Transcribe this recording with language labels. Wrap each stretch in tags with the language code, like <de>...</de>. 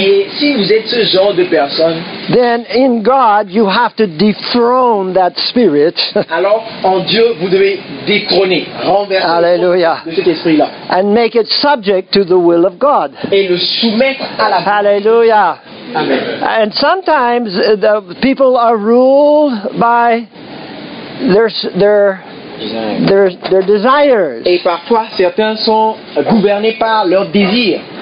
<fr>et si vous êtes ce genre de personne,</fr> <en>then in God you have to dethrone that spirit.</en> <fr>Alors en Dieu vous devez détrôner, renverser. Alléluia. De cet esprit là.</fr> <en>And make it subject to the will of God.</en> <fr>Et le soumettre à la. Alléluia. Amen.</fr> <en>And sometimes the people are ruled by their desires.</en> <fr>Et parfois certains sont gouvernés par leurs désirs.</fr>